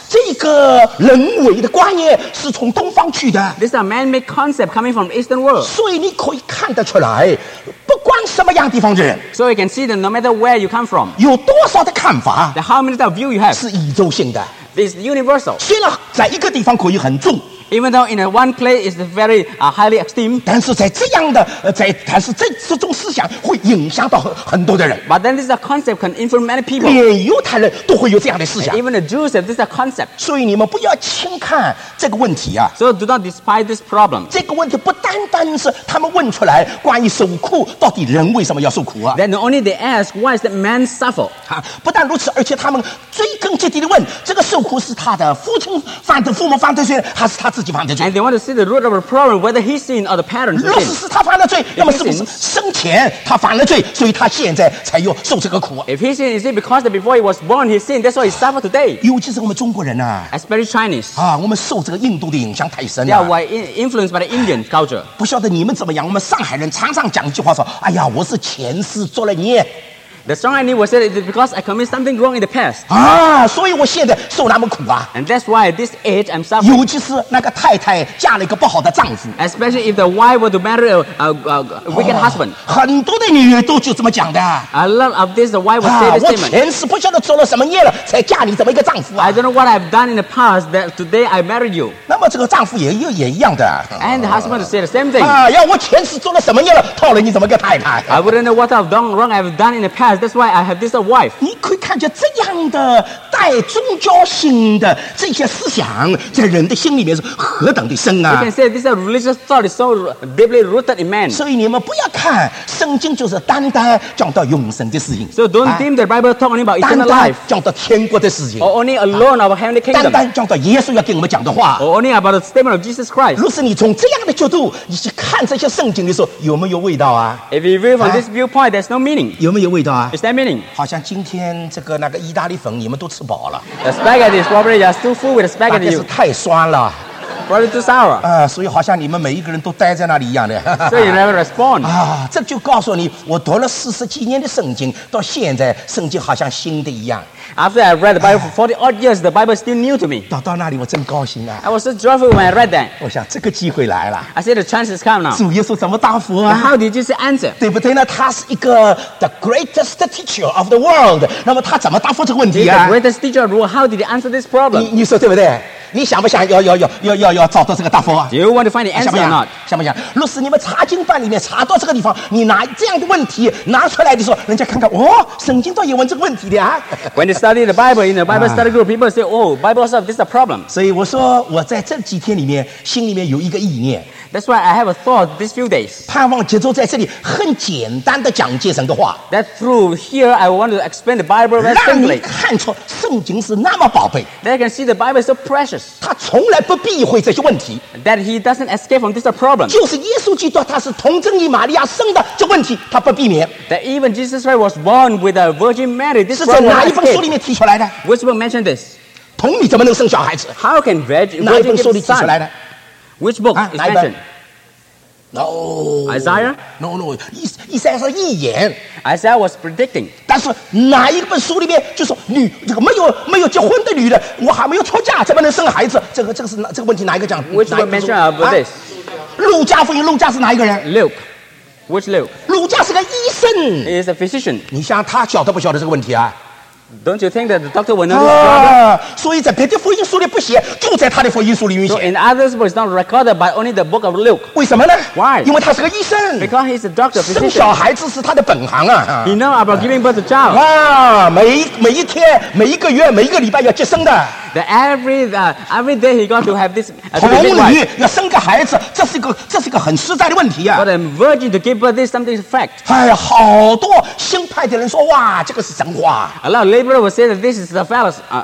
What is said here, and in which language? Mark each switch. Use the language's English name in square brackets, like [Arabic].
[Chinese] 这个人为的观念是从东方去的。 [English] This is a man-made concept coming from the Eastern world. [Chinese] 所以你可以看得出来，不管什么样地方的人。 [English] So you can see that no matter where you come from, [Chinese] 有多少的看法 [English] ，the how many type of view you have, [Chinese] 是宇宙性的。 [English] This is universal. [Chinese] 虽然在一个地方可以很重。 [English] Even though in one place is very highly esteemed, [Chinese] 但是在这样的在但是在这种思想会影响到很多的人。 [English] But then this concept can influence many people. [Chinese] 连犹太人都会有这样的思想。 [English] Even the Jews have this concept. [Chinese] 所以你们不要轻看这个问题啊。 [English] So do not despise this problem. [Chinese] 这个问题不单单是他们问出来关于受苦到底人为什么要受苦啊。 [English] Then only they ask why is that man suffer? [Chinese] 不但如此，而且他们追根结底的问这个受苦是他的父亲犯的父母犯的罪还是他自己。 [English] And they want to see the root of the problem, whether he sin or the parents sin. [Chinese] 若是是他犯了罪，那么是不是生前他犯了罪，所以他现在才又受这个苦 [English] ？If he sin, is it because before he was born he sin? That's why he suffer today. [Chinese] 尤其是我们中国人呐 [English] ，especially Chinese. [Chinese] 啊，我们受这个印度的影响太深了。 [English] Yeah, we influenced by the Indian culture. [Chinese] 不晓得你们怎么样？我们上海人常常讲一句话说：“哎呀，我是前世做了孽。” [English] The song I knew was said it's because I committed something wrong in the past. [Chinese] 啊，所以我现在受那么苦啊。 [English] And that's why at this age I'm suffering. [Chinese] 尤其是那个太太嫁了一个不好的丈夫。 [English] Especially if the wife were to marry a wicked husband. [Chinese] 很多的女人都就这么讲的。 [English] A lot of this the wife would say this statement. [Chinese] 我前世不晓得做了什么孽了，才嫁你这么一个丈夫啊。 [English] I don't know what I've done in the past that today I married you. [Chinese] 那么这个丈夫也一样的。 [English] And the husband would say the same thing. [Chinese] 啊，要我前世做了什么孽了，套了你这么个太太。 [English] I wouldn't know what I've done wrong I've done in the past. That's why I have this wife. [Chinese] 你可以看见这样的带宗教性的这些思想在人的心里面是何等的深啊！ [English] You can say this religious thought is so deeply rooted in man. [Chinese] 所以你们不要看圣经就是单单讲到永生的事情。 [English] So don't deem the Bible talking about eternal life. [Chinese] 单单讲到天国的事情。 [English] Or only alone of heavenly kingdom. [Chinese] 单单讲到耶稣要给我们讲的话。 [English] Or only about the statement of Jesus Christ. [Chinese] 若是你从这样的角度你去看这些圣经的时候，有没有味道啊？ [English] If you view from this viewpoint, there's no meaning. [Chinese] 有没有味道啊？ [English] Is that meaning? [Chinese] 好像今天这个那个意大利粉你们都吃饱了。 [English] The spaghetti is probably just too full with the spaghetti. [Chinese] 大概是太酸了。 [English] Probably too sour. [Chinese] 所以好像你们每一个人都待在那里一样的。 [English] So you never respond. [Chinese] 啊，这就告诉你，我读了四十几年的圣经，到现在圣经好像新的一样。 [English] After I read the Bible for 40 odd years, the Bible is still new to me. [Chinese] 到那里我真高兴啊。 [English] I was so joyful when I read that. [Chinese] 我想这个机会来了。 [English] I said the chance has come now. [Chinese] 主耶稣怎么答复啊？ [English] How did Jesus answer? [Chinese] 对不对呢？他是一个 [English] the greatest teacher of the world. [Chinese] 那么他怎么答复这个问题啊？ [English] The greatest teacher of the world. How did he answer this problem? [Chinese] 你说对不对？你想不想要找到这个答复啊？ [English] Do you want to find the answer or not? [Chinese] 想不想？若是你们查经办里面查到这个地方，你拿这样的问题拿出来的时候，人家看看，哦，圣经都有问这个问题的啊。 [English] When you study the Bible in the Bible study group, people say, "Oh, Bible says this is a problem." [Chinese] 所以我说我在这几天里面心里面有一个意念。 [English] That's why I have a thought these few days. [Chinese] 盼望藉着在这里很简单的讲解神的话。 [English] That through here, I want to explain the Bible very simply. [Chinese] 让你看出圣经是那么宝贝。 [English] That you can see the Bible is so precious. [Chinese] 他从来不避讳这些问题。 [English] That he doesn't escape from this problem. [Chinese] 就是耶稣基督，他是童贞与玛利亚生的，这问题他不避免。 [English] That even Jesus Christ was born with a virgin Mary. This [Chinese] 是在哪一本书里面提出来的 [English] ？Which book mentioned this? [Chinese] 童女怎么能生小孩子 [English] ？How can virgin [Chinese] 哪一本书里提出来的 [English] ？Which book is mentioned? No. Isaiah? No, no. Isaiah [Chinese] 是预言。 [English] Isaiah was predicting. [Chinese] 但是哪一本书里面就说女这个没有结婚的女的，我还没有出嫁，怎么能生孩子？这个是这个问题哪一个讲 [English] ？Which one mentioned about this? [Chinese] 路加福音，路加是哪一个人 [English] ？Luke. Which Luke? [Chinese] 路加是个医生。 [English] He is a physician. [Chinese] 你想他晓得不晓得这个问题啊？ [English] Don't you think that the doctor will know his brother? [Chinese] 所以在别的福音书里不写, 就在他的福音书里面写。 [English] So in others, it's not recorded, but only the book of Luke. [Chinese] 为什么呢? [English] Why? [Chinese] 因为他是个医生。 [English] Because he's a doctor, physician. [Chinese] 生小孩子是他的本行啊。 [English] He knows about giving birth to child. [Chinese] 每一天,每一个月,每一个礼拜要接生的。 [English] That every day he got to have this. [Chinese] 童女要生个孩子，这是个很实在的问题呀。 [English] But a virgin to give birth is something fact. [Chinese] 哎呀，好多新派的人说，哇，这个是神话。A [English] lot of laborers will say that this is a fallacy.